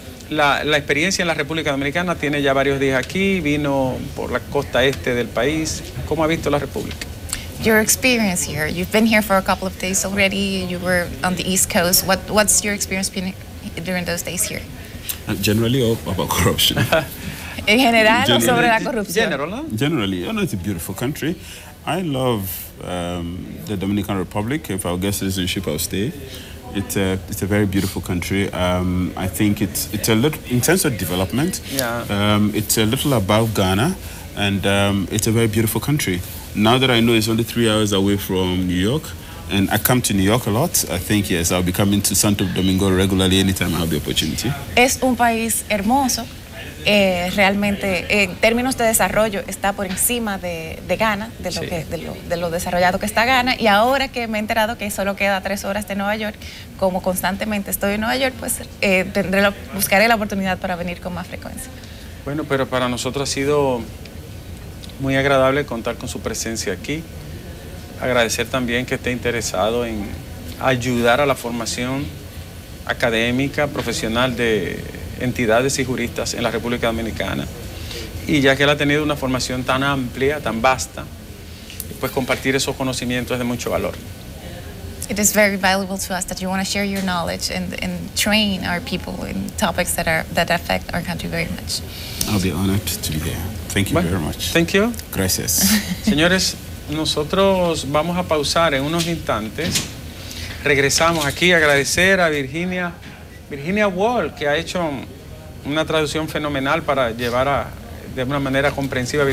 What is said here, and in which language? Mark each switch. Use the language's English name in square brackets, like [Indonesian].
[Spanish] La experiencia en la República Dominicana tiene ya varios días aquí, vino por la costa este del país. ¿Cómo ha visto la República? [English] Your experience here. You've been here for a couple of days already. You were on the East Coast. What's your experience been during those days here? Generally, or about corruption? In general, or [Spanish] sobre la corrupción? [English] Generally, you know, it's a beautiful country. I love the Dominican Republic. If I'll get citizenship, I'll stay. It's a very beautiful country. I think it's a little, in terms of development, it's a little above Ghana, and it's a very beautiful country. Now that I know it's only 3 hours away from New York, and I come to New York a lot, I think, yes, I'll be coming to Santo Domingo regularly anytime I have the opportunity. [Spanish] Es un país hermoso. Realmente, en términos de desarrollo, está por encima de Ghana, de lo desarrollado que está Ghana. Y ahora que me he enterado que solo queda 3 horas de Nueva York, como constantemente estoy en Nueva York, pues buscaré la oportunidad para venir con más frecuencia. Bueno, pero para nosotros ha sido muy agradable contar con su presencia aquí. Agradecer también que esté interesado en ayudar a la formación académica, profesional de entidades y juristas en la República Dominicana. Y ya que él ha tenido una formación tan amplia, tan vasta, pues compartir esos conocimientos es de mucho valor. [English] It is very valuable to us that you want to share your knowledge and train our people in topics that affect our country very much. I'll be honored to be there. Thank you very much. Thank you. [Spanish] Gracias. Señores, nosotros vamos a pausar en unos instantes. Regresamos aquí a agradecer a Virginia Wall, que ha hecho una traducción fenomenal para llevar a de una manera comprensiva.